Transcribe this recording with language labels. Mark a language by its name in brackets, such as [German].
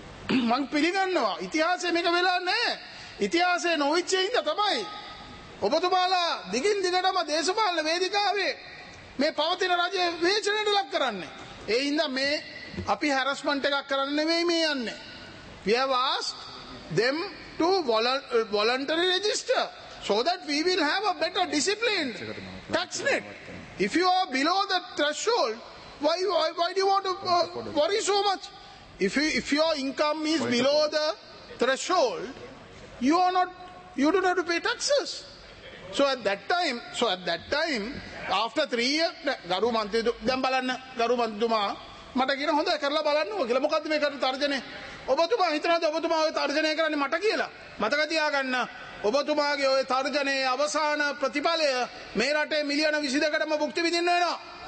[Sinhala] මං පිළිගන්නවා ඉතිහාසයේ මේක වෙලා නැහැ. ඉතිහාසයේ නොවිච්ච හින්දා තමයි ඔබතුමාලා දිගින් දිගටම දේශපාලන වේදිකාවේ මේ පවතින රජය විවේචනයට ලක් කරන්නේ. ඒ හින්දා මේ අපි හැරස්මන්ට් එකක් කරන්නේ නෙමෙයි මේ යන්නේ. [English] We have asked them to voluntary register so that we will have a better disciplined tax net. If you are below the threshold, why do you want to worry so much? If your income is below the threshold, you do not have to pay taxes. So at that time, after 3 years, [Sinhala] ගරු මන්ත්‍රී දැන් බලන්න ගරු මන්ත්‍රීතුමා මට කියන හොඳයි කරලා බලන්න ඕක කියලා. මොකද්ද මේ කරු තර්ජනේ? ඔබතුමා හිතනවාද ඔබතුමා ඔය තර්ජනය කරන්නේ මට කියලා? මතක තියාගන්න ඔබතුමාගේ ඔය තර්ජනයේ අවසාන ප්‍රතිඵලය මේ රටේ මිලියන 22කටම භුක්ති විඳින්න වෙනවා.